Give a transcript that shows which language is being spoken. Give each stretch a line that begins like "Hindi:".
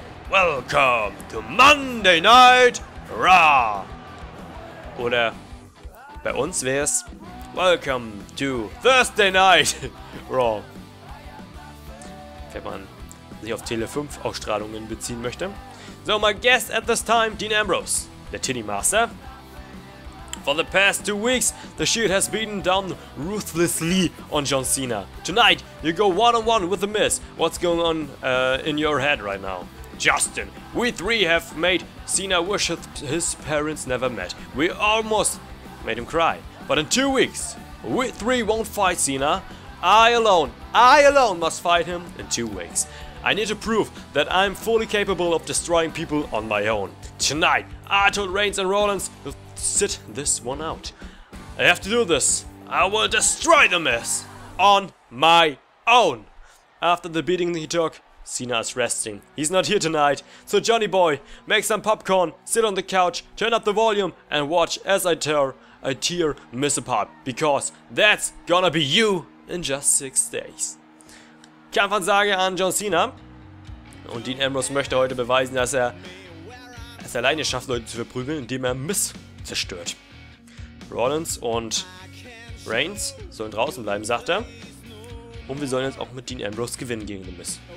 English: Welcome to Monday Night Raw!
German: Oder bei uns wär's
English: Welcome to Thursday Night Raw.
German: Wenn man sich auf Tele5-Ausstrahlungen beziehen möchte.
English: So, my guest at this time, Dean Ambrose, the Titty Master. For the past 2 weeks, the Shield has beaten down ruthlessly on John Cena. Tonight, you go one-on-one with The Miz. What's going on in your head right now? Justin, we three have made Cena wish his parents never met. We almost made him cry. But in 2 weeks, we three won't fight Cena. I alone must fight him in 2 weeks. I need to prove that I'm fully capable of destroying people on my own. Tonight, I told Reigns and Rollins to sit this one out. I have to do this. I will destroy The Miz on my own. After the beating he took, Cena is resting. He's not here tonight. So Johnny boy, make some popcorn, sit on the couch, turn up the volume and watch as I tear Miz apart. Because that's gonna be you in just 6 days.
German: Kampfansage an John Cena. Und Dean Ambrose möchte heute beweisen, dass er es alleine schafft, Leute zu verprügeln, indem er Miz zerstört. Rollins und Reigns sollen draußen bleiben, sagt er. Und wir sollen jetzt auch mit Dean Ambrose gewinnen gegen den Miz.